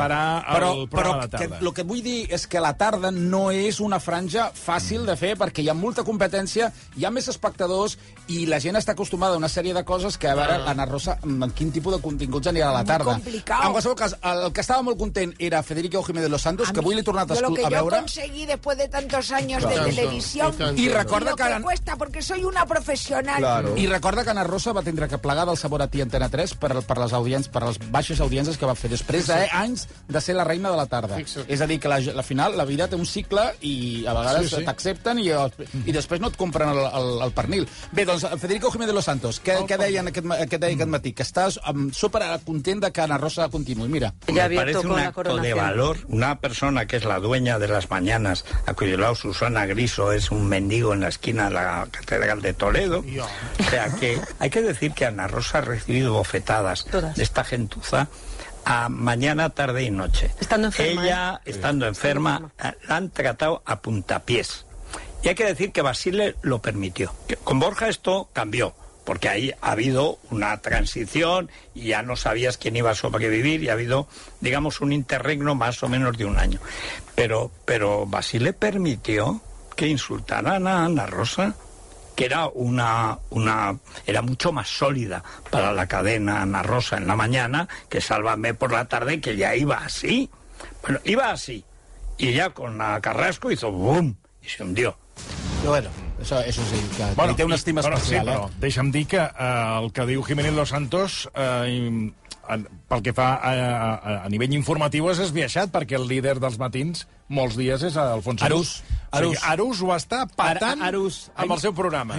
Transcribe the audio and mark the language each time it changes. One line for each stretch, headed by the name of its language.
Catalan: Farà el programa de la tarda. Però el que vull dir és que la tarda no és una franja fàcil de fer, perquè hi ha molta competència, hi ha més espectadors i la gent està acostumada a una sèrie de coses que, a veure, l'Anna Rosa, en quin tipus de continguts anirà a la tarda. Molt complicat. En qualsevol cas, el que estava molt content era Federico Jiménez de los Santos, que avui l'he tornat a veure.
Spanish: Lo que yo conseguí después de tantos años de televisión,
Catalan: I recorda que...
Spanish: lo que cuesta, porque soy una profesional. Claro.
Catalan: I recorda que Ana Rosa va tindre que plegar del sabor a ti Antena 3 per les audiències, per les baixes audiències que va fer després d'anys de ser la reina de la tarda. Fixa't. És a dir, que la final, la vida té un cicle i a vegades sí, sí. t'accepten i després no et compren el pernil. Bé, doncs, Federico Jiménez de los Santos, què deia aquest matí? Que estàs súper content de que Ana Rosa continuï. Mira.
Spanish: Ya me parece un acto de valor. Una persona que es la dueña de las mañanas, a cuyo lado Susana Griso es un mendigo en la esquina de la Catedral de Toledo. Dios. O sea que hay que decir que Ana Rosa ha recibido bofetadas todas. De esta gentuza a mañana, tarde y noche. Estando enferma. Ella, estando enferma, la han tratado a puntapiés. Y hay que decir que Basile lo permitió. Con Borja esto cambió. Porque ahí ha habido una transición y ya no sabías quién iba a sobrevivir y ha habido, digamos, un interregno más o menos de un año. Pero Basile permitió que insultaran a Ana Rosa, que era una era mucho más sólida para la cadena Ana Rosa en la mañana que Sálvame por la tarde, que ya iba así. Bueno, iba así. Y ya con la Carrasco hizo ¡boom! Y se hundió.
Catalan: Bueno. Això sí, que bueno, té una estima especial. Sí, però deixa'm dir que el que diu Jiménez Los Santos, pel que fa a nivell informatiu, és esbiaixat, perquè el líder dels matins molts dies és Alfonso Arús. Arús. O sigui, Arús ho està patant amb el seu programa.